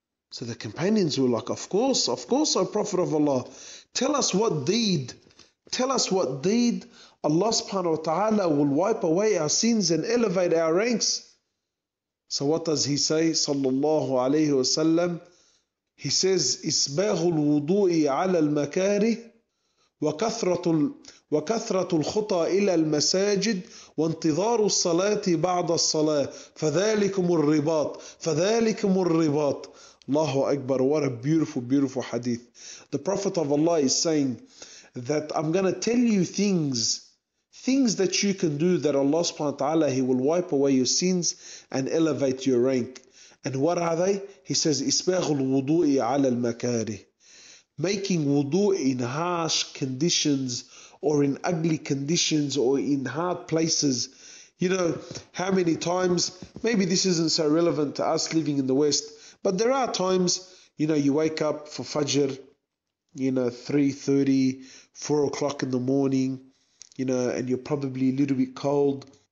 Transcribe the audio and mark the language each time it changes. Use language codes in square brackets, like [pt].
[en] So the companions were like, of course, O Prophet of Allah, tell us what deed Allah subhanahu wa ta'ala will wipe away our sins and elevate our ranks. So what does he say, sallallahu alayhi wa sallam? He says, [ar] إِسْبَاغُ الْوُضُوءِ عَلَى الْمَكَارِهِ وَكَثْرَةُ وكثرة الخطى إلى المساجد وانتظار الصلاة بعد الصلاة فذلكم الرباط فذلكم الرباط. الله أكبر. [en] What a beautiful, beautiful hadith. The Prophet of Allah is saying that I'm going to tell you things that you can do that Allah subhanahu wa ta'ala, he will wipe away your sins and elevate your rank. And what are they? He says, [ar] إسباغ الوضوء على المكاره. [en] Making wudu in harsh conditions or in ugly conditions or in hard places. You know, how many times, maybe this isn't so relevant to us living in the West, but there are times, you know, you wake up for Fajr, you know, 3:30, 4 o'clock in the morning, you know, and you're probably a little bit cold.